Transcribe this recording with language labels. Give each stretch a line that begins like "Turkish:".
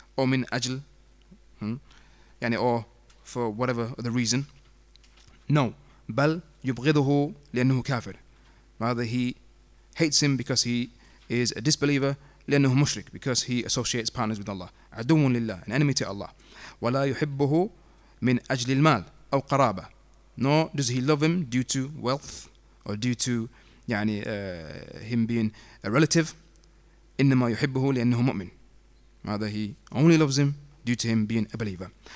Arabic: أو من أجل
English: or for whatever the reason.
Arabic: No. بل يبغضه لأنه كافر.
English: Rather, he hates him because he is a disbeliever.
Arabic: لأنه مشرك,
English: because he associates partners with Allah.
Arabic: عدو لله,
English: an enemy to Allah.
Arabic: ولا يحبه من أجل المال أو قرابة.
English: Nor does he love him due to wealth or due to him being a relative.
Arabic: إنما يحبه لأنه مؤمن.
English: Rather, he only loves him due to him being a believer.